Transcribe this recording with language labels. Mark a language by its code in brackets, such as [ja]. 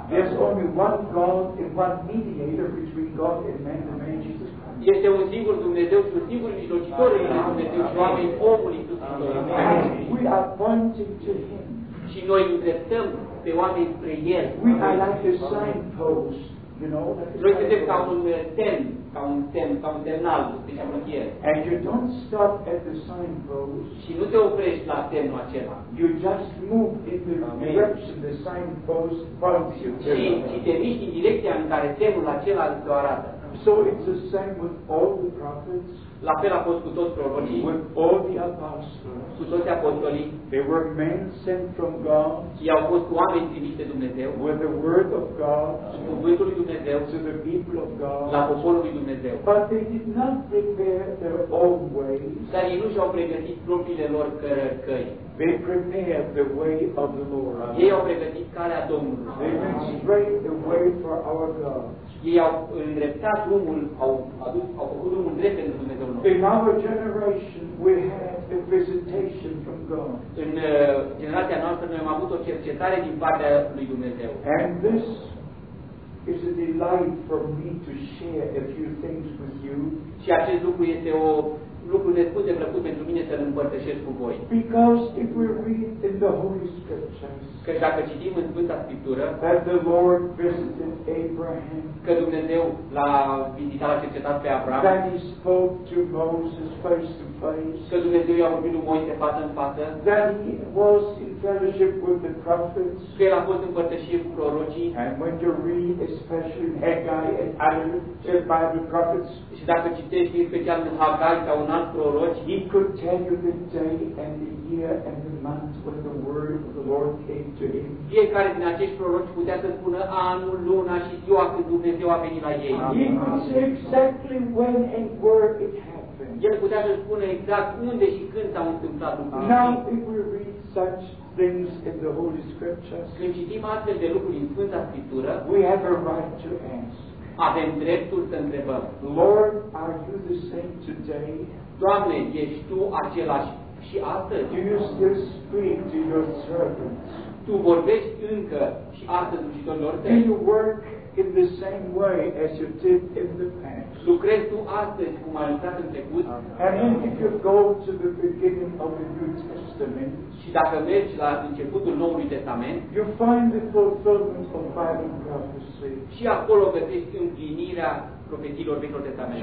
[en] There's only one God and one mediator between God and man, the man Jesus Christ. [ro] Este un singur Dumnezeu și un singur mijlocitor între Dumnezeu și oameni, omul Iisus Hristos. [en] We are pointing to him. [ro] Și noi îndreptăm pe oameni spre el. [en] We are like a signpost. You know, [ro] noi suntem ca un semn, ca un semn, ca un semnal, spuneam în ghiere. [en] And you don't stop at the signpost. [ro] Și nu te oprești la semnul acela. [en] You just move in the direction the signpost points you. [ro] Și te miști în direcția în care semnul acela îți arată. [en] So it's the same with all the prophets. [ro] La fel a fost cu toți prorocii. [en] With all the apostles. [ro] Cu toți apostolii. [en] They were men sent from God. [ro] Și au fost oameni trimiși de Dumnezeu. [en] With the word of God. [ro] Și cu cuvântul lui Dumnezeu. [en] To the people of God. [ro] La poporul lui Dumnezeu. [en] But they did not prepare their own ways. [ro] Dar ei nu și-au pregătit propriile lor căi. [en] They prepared the way of the Lord. [ro] Ei au pregătit calea Domnului. [en] They went straight the way for our God. [ro] Ei au îndreptat drumul, au făcut drumul drept pentru Dumnezeu nostru. [en] In our generation we had a visitation from God. [ro] În generația noastră noi am avut o cercetare din partea lui Dumnezeu. [en] And this is a delight for me to share a few things with you. [ro] Și acest lucru este o lucru nespus de plăcut pentru mine să-l împărtășesc cu voi. [en] Because if we read in the Holy Scriptures, [ro] că dacă citim în Sfânta Scriptură, [en] that the Lord visited Abraham, [ro] că Dumnezeu l-a vizitat, l-a cercetat pe Abraham, [en] that he spoke to Moses face to face, [ro] că Dumnezeu i-a vorbit lui Moise față în față, [en] that he was in fellowship with the prophets, [ro] că el a fost împărtășit cu prorocii, [en] and when you read especially Haggai and Agabus, said by the prophets, [ro] și dacă citești în special în Haggai sau un alt proroc, [en] he could tell you the day and the year and the month when the word of the Lord came. [ro] Fiecare din acești proroci putea să spună anul, luna și ziua când Dumnezeu a venit la ei. [en] Exactly when and where it happened. [ro] El putea să spună exact unde și când s-a întâmplat lucrurile. [en] Now if we read such things in the Holy Scriptures, [ro] când citim astfel de lucruri în Sfânta Scriptură, [en] we have a right to ask. [ro] Avem dreptul să întrebăm. [en] Lord, are you the same today? [ro] Doamne, ești tu același și astăzi? [en] Do you still speak to your servants? [ro] Tu vorbești încă și astăzi ucitorilor tăi? [en] Do you work in the same way as you did in the past? [ro] Lucrezi tu astăzi cum ai lucrat în trecut? [en] And then if you go to the beginning of the New Testament, [ro] și dacă mergi la începutul Noului Testament, [en] you find the fulfillment of Bible prophecy. [ro] Și acolo găsești împlinirea profețiilor Vechiului Testament.